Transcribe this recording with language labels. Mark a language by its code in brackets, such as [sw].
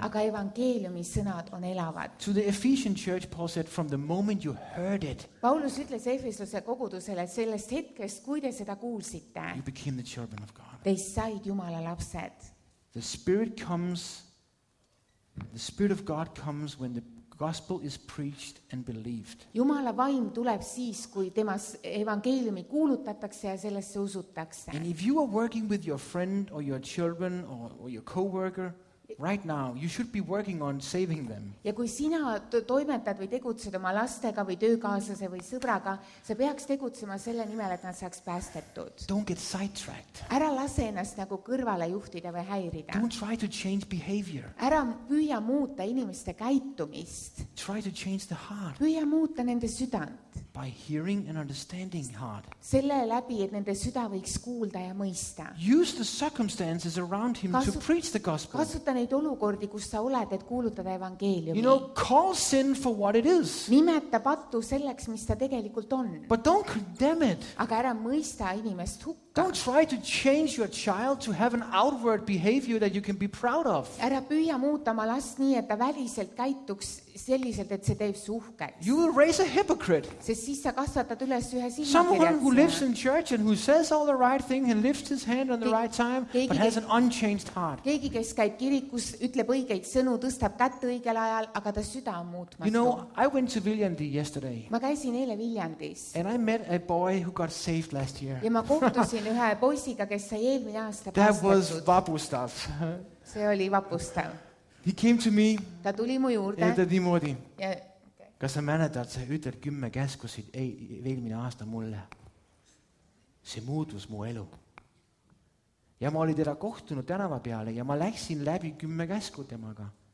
[et] Aga evangeeliumi sõnad on elavad. [en] To the Ephesian church, Paul said, from the moment you heard it. [et] Paulus ütles Efesuse kogudusele, sellest hetkest, kui te seda kuulsite. [en] You became the children of God. [et] Te said Jumala lapsed. [en] The spirit comes, the spirit of God comes when the gospel is preached and believed. [et] Jumala vaim tuleb siis, kui temas evangeeliumi kuulutatakse ja sellesse usutakse. [en] And if you are working with your friend or your children or your coworker right now, you should be working on saving them. [et] Ja kui sina toimetad või tegutsed oma lastega või töökaaslase või sõbraga, sa peaks tegutsema selle nimel, et nad saaks päästetud. [en] Don't get sidetracked. [et] Ära lase ennast nagu kõrvale juhtida või häirida. [en] Don't try to change behavior. [et] Ära püüa muuta inimeste käitumist. [en] Try to change the heart. [et] Püüa muuta nende südant. [en] By hearing and understanding heart. [et] Selle läbi, et nende süda võiks kuulda ja mõista. [en] Use the circumstances around him to preach the gospel. [et] Kasuta neid olukordi, kus sa oled, et kuulutada evangeeliumi. [en] You know, call sin for what it is. [et] Nimeta patu selleks, mis ta tegelikult on. [en] But don't condemn it. [et] Aga ära mõista inimest hukka. [en] Don't try to change your child to have an outward behavior that you can be proud of. [et] Ära püüa muuta oma last nii, et ta väliselt käituks selliselt, et see teeb suhkeks. [en] You will raise a hypocrite. [et] Sest siis sa kasvatad üles ühe silmakirjatse. [en] Someone who lives in church and who says all the right thing and lifts his hand on the right time, but has an unchanged heart. [et] Keegi, kes käib kirikus, ütleb õigeid sõnu, tõstab kätt õigel ajal, aga ta süda on muutmatu. [en] You know, I went to Viljandi yesterday. [et] Ma käisin eile Viljandis. [en] And I met a boy who got saved last year. [et] Ja ma kohtus siin ühe poisiga, kes sai eelmine aasta päästetud. [en] That was vapustav. [et] See oli vapustav. He came to me. Ta tuli mu juurde. Ja ta niimoodi. Kas sa mäletad, sa ütled 10 käskusid eelmine aasta mulle? See muutus mu elu. Ja ma olin teda kohtunud tänava peale ja ma läksin läbi 10 käsku temaga.